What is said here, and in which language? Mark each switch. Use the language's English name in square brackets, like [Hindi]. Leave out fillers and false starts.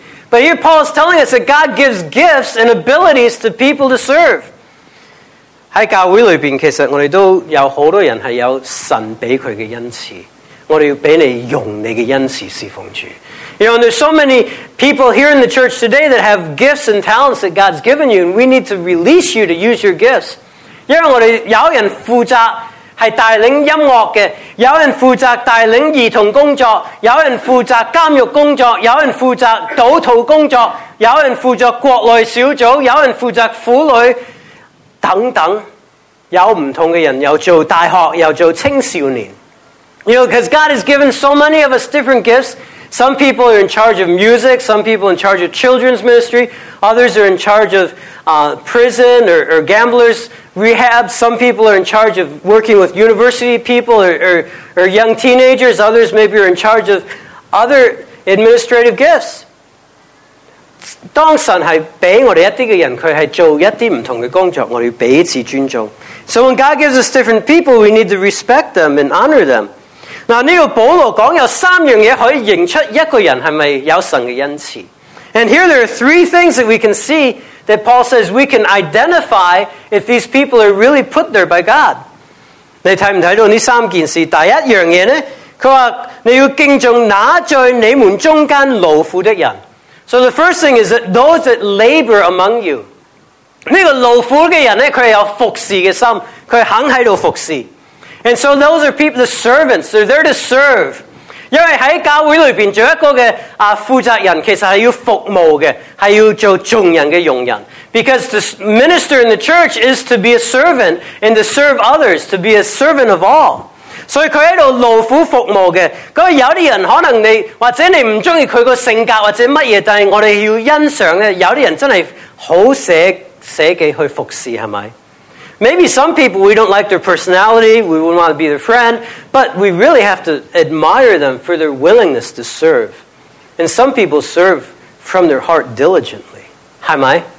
[English] But here Paul is telling us that God gives gifts and abilities to people to serve. [Cantonese] 在教会里面，其实我们都有很多人是有神给他的恩赐，我们要给你用你的恩赐侍奉主。 [English] You know, and there's so many people here in the church today that have gifts and talents that God's given you, and we need to release you to use your gifts. [Cantonese] 因为我们有人负责是带领音乐的，有人负责带领儿童工作，有人负责监狱工作，有人负责祷徒工作，有人负责国内小组，有人负责妇女等等，有不同的人，又做大学，又做青少年。 [English] You know, because God has given so many of us different gifts. Some people are in charge of music, some people in charge of children's ministry, others are in charge of prison or gamblers rehab. Some people are in charge of working with university people or young teenagers. Others maybe are in charge of other administrative gifts. [Cantonese] 当神是给我们一些的人，他是做一些不同的工作，我们要彼此尊重。 [English] So when God gives us different people, we need to respect them and honor them. [Cantonese] 那这个保罗讲有三样东西可以认出一个人是不是有神的恩赐。 [English] And here there are three things that we can see that Paul says we can identify if these people are really put there by God. [Cantonese] 你看不看到这三件事？第一样东西呢，他说你要敬重那在你们中间劳苦的人。 [English] So the first thing is that those that labor among you. [Cantonese] 这个劳苦的人呢，他有服侍的心，他肯在这服侍。 [English] And so those are people, the servants, they're there to serve. [Cantonese] 因为在教会里面做一个的负责人，其实是要服务的，是要做众人的用人。 [English] Because to minister in the church is to be a servant and to serve others, to be a servant of all. [Cantonese] 所以他在这里劳苦服务的，那有些人可能你或者你不喜欢他的性格或者什么，但是我们要欣赏的，有些人真的很舍己去服侍，是吗？ [English] Maybe some people we don't like their personality, we wouldn't want to be their friend, but we really have to admire them for their willingness to serve. And some people serve from their heart diligently, [Cantonese] 是吗？